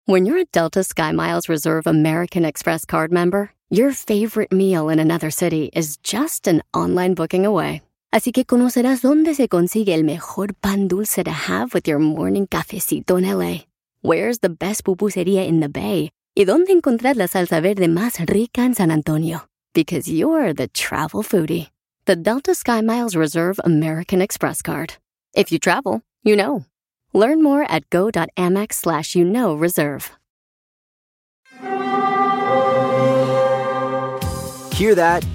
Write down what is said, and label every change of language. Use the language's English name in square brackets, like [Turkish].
[English] When you're a Delta SkyMiles Reserve American Express card member, your favorite meal in another city is just an online booking away. [Spanish] Así que conocerás dónde se consigue el mejor pan dulce [English] to have with your morning [Spanish] cafecito en LA. [English] Where's the best pupusería in the Bay? [Spanish] ¿Y dónde encontrar la salsa verde más rica en San Antonio? [English] Because you're the travel foodie. The Delta SkyMiles Reserve American Express card. If you travel, you know. Learn more at go.amex/reserve. Hear that?